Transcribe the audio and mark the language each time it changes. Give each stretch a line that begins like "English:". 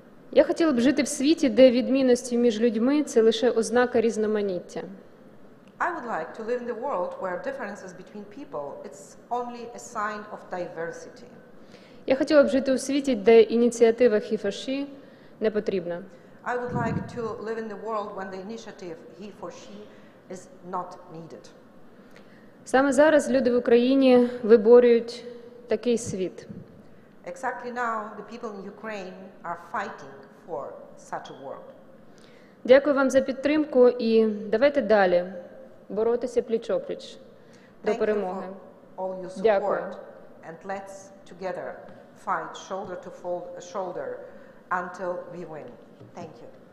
Ukrainian: Я хотіла б жити в світі, де відмінності між людьми – це лише ознака різноманіття.
English: I would like to live in the world where differences between people – it's only a sign of diversity.
Ukrainian: Я хотіла б жити у світі, де ініціатива HeForShe не потрібна.
English: I would like to live in the world when the initiative HeForShe is not needed.
Ukrainian: Саме зараз люди в Україні виборюють такий світ.
English: Exactly now, the people in Ukraine are fighting for such a world.
Ukrainian: Дякую вам за підтримку і давайте далі боротися пліч-о-пліч до перемоги.
English: Thank you for all your support. And let's together fight shoulder to shoulder until we win. Thank you.